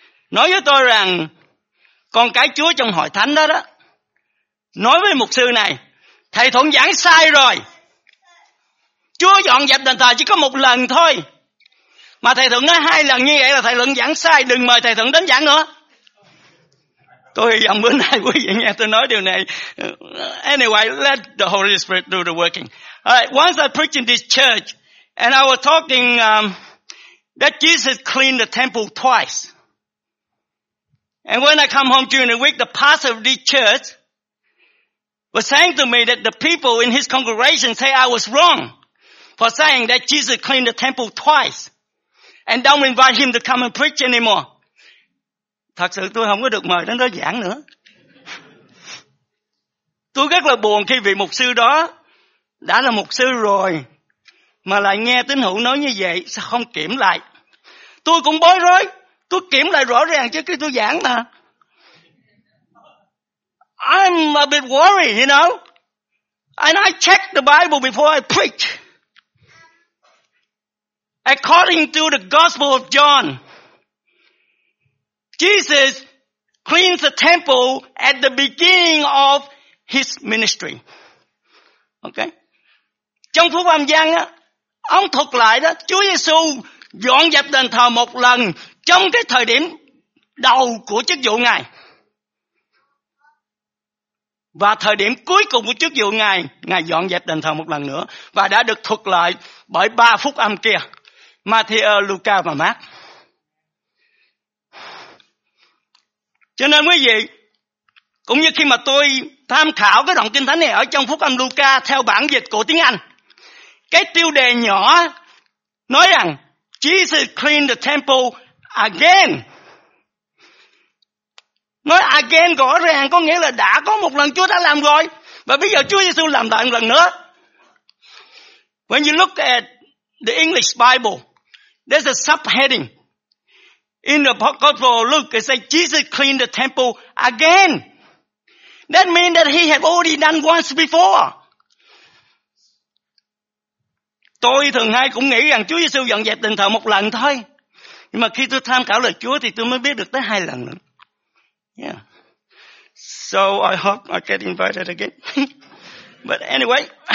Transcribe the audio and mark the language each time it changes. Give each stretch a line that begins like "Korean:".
Vietnamese: Nói với tôi rằng con cái Chúa trong hội thánh đó nói với mục sư này, thầy Thuận giảng sai rồi. Chúa dọn dẹp đền thờ chỉ có 1 lần thôi. Mà thầy Thuận nói 2 lần như vậy là thầy Thuận giảng sai, đừng mời thầy Thuận đến giảng nữa. Tôi hy vọng bữa nay quý vị nghe tôi nói điều này.
English: Anyway, let the Holy Spirit do the working. Alright, once I preach in this church, and I was talking that Jesus cleaned the temple twice. And when I come home during the week, the pastor of this church was saying to me that the people in his congregation say I was wrong for saying that Jesus cleaned the temple twice and don't invite him to come and preach anymore.
Vietnamese: Thật sự tôi không có được mời đến đó giảng nữa. Tôi rất là buồn khi vị mục sư đó đã là mục sư rồi mà lại nghe tín hữu nói như vậy, sao không kiểm lại. Tôi cũng bối rối, tôi kiểm lại rõ ràng chứ, cái tôi giảng mà.
English: I'm a bit worried, you know. And I check the Bible before I preach. According to the Gospel of John, Jesus cleans the temple at the beginning of his ministry. Okay?
Vietnamese: Trong Phúc Âm Giăng á, ông thuật lại đó, Chúa Giêsu dọn dẹp đền thờ 1 lần trong cái thời điểm đầu của chức vụ Ngài. Và thời điểm cuối cùng của chức vụ Ngài, Ngài dọn dẹp đền thờ 1 lần nữa và đã được thuật lại bởi 3 phúc âm kia, Matthew, Luca và Mark. Cho nên quý vị, cũng như khi mà tôi tham khảo cái đoạn kinh thánh này ở trong Phúc Âm Luca theo bản dịch của tiếng Anh, cái tiêu đề nhỏ nói rằng
English: Jesus cleaned the temple again.
Vietnamese: Nói again rõ ràng có nghĩa là đã có 1 lần Chúa đã làm rồi và bây giờ Chúa Giêsu làm lại 1 lần nữa.
English: When you look at the English Bible, there's a subheading. In the Gospel of Luke, it says Jesus cleaned the temple again. That means that he had already done once before.
Vietnamese: Tôi thường hay cũng nghĩ rằng Chúa Giêsu dọn dẹp đền thờ 1 lần thôi. Nhưng mà khi tôi tham khảo lời Chúa thì tôi mới biết được tới 2 lần nữa.
English: Yeah. So I hope I get invited again. But anyway.